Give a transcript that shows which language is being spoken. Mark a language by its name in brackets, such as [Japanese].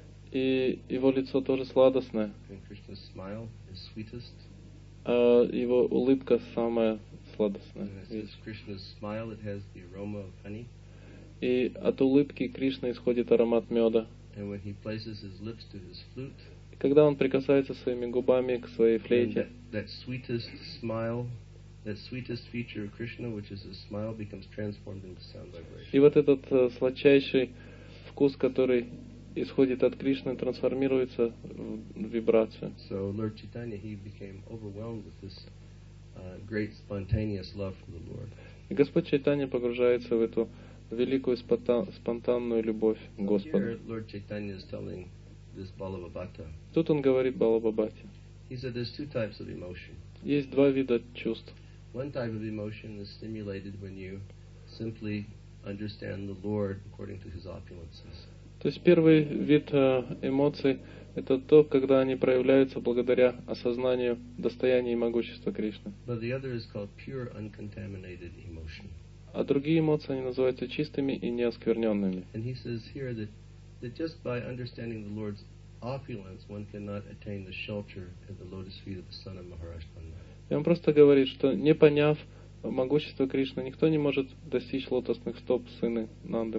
[Russian] И его лицо тоже сладостное. [English] And Krishna's smile is sweetest. [Russian] А его улыбка самая сладостная. [English] And it says Krishna's smile, it has the aroma of honey. [Russian] И от улыбки Кришны исходит аромат меда. [English] And when he places his lips to his flute, [Russian] и когда он прикасается своими губами к своей флейте, [English] that sweetest smile, that sweetest feature of Krishna, which is his smile, becomes transformed into sound vibration. [Russian] И вот этот сладчайший вкус, который исходит от Кришны, трансформируется в вибрацию. [English] So Lord Chaitanya, he became overwhelmed with this great spontaneous love for the Lord. [Russian] И Господь Чайтанья погружается в эту великую спонтанную любовь к Господу. [English] Here Lord Chaitanya is telling this Balabhata. [Russian] Тут он говорит Балабхабхате. [English] He said there's two types of emotion. [Russian] Есть два вида чувств. [English] One type of emotion is stimulated when you simply understand the Lord according to his opulences. [Russian] То есть первый вид эмоций — это то, когда они проявляются благодаря осознанию достояния и могущества Кришны. [English] But the other is called pure, uncontaminated emotion. [Russian] А другие эмоции, они называются чистыми и неоскверненными. [English] And he says here that just by understanding the Lord's opulence, one cannot attain the shelter at the lotus feet of the son of Maharashtrana. [Russian] И он просто говорит, что не поняв могущества Кришны, никто не может достичь лотосных стоп сына Нанды